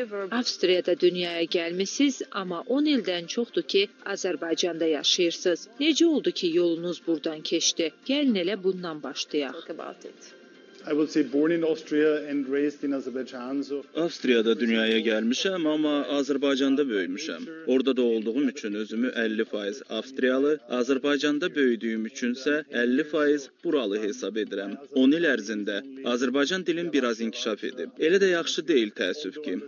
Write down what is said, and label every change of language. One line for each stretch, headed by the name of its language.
Azerbaijani: Avstriyada dünyaya gəlmişsiniz, amma 10 ildən çoxdur ki, Azərbaycanda yaşayırsınız. Necə oldu ki, yolunuz buradan keçdi? Gəlin elə bundan başlayaq.
English: I would say born in Austria and raised in Azerbaijan.
Azerbaijani: Avstriyada dünyaya gəlmişəm, amma Azərbaycanda böyümüşəm. Orada da olduğum üçün özümü 50% Avstriyalı, Azərbaycanda böyüdüyüm üçünsə 50% buralı hesab edirəm. 10 il ərzində Azərbaycan dilim biraz inkişaf edib. Elə də yaxşı deyil təəssüf ki.